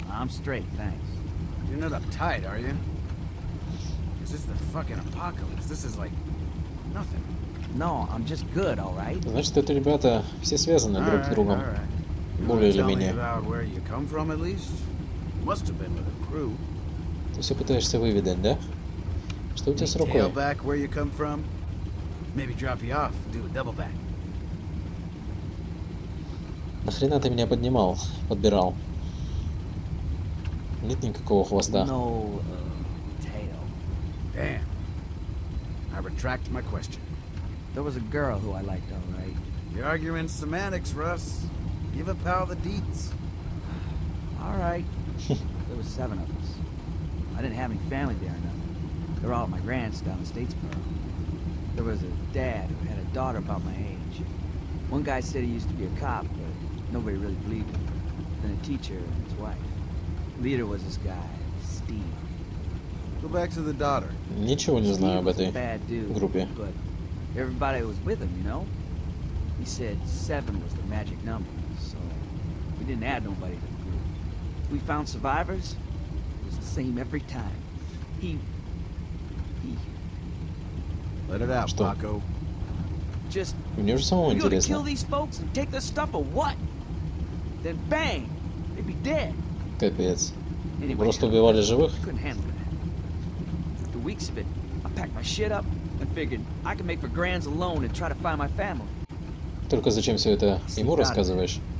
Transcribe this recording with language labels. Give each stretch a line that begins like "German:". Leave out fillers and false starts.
English: I'm straight, thanks. You're not uptight, are you? This is the fucking apocalypse. This is like nothing. No, I'm just good, all right?
Russian: Значит, эти ребята все связаны друг с другом. Более или менее.
English: You come from, at least? Must have been with a crew.
Russian: Ты все пытаешься выведать, да? Что у тебя с рукой?
English: Tail back where you come from? Maybe drop you off, do a double back.
Russian: Нахрена ты меня поднимал, подбирал? Нет никакого хвоста.
English: No, tail. Damn. I retract my question. There was a girl who I liked, all right. You're arguing semantics, Russ. Give a pal the deets. All right. There was seven of us. I didn't have any family there or nothing. They're all at my grand's down in Statesboro. There was a dad who had a daughter about my age. One guy said he used to be a cop, but nobody really believed him. Then a teacher and his wife. Leader was this guy, Steve. Go back to the daughter.
Russian: Ничего не знаю об этой группе.
English: But everybody was with him, you know? He said 7 was the magic number, so we didn't add nobody to the group. If we found survivors, it was the same every time. Let it out, Paco. Just you're so interesting. You gonna kill these folks and take their stuff or what? Then bang, they'd be dead.
Russian: Капец. Просто убивали живых?
English: Couldn't handle that. After weeks of it, I packed my shit up and figured I could make for grands alone and try to find my family.
Russian: Только зачем все это ему рассказываешь?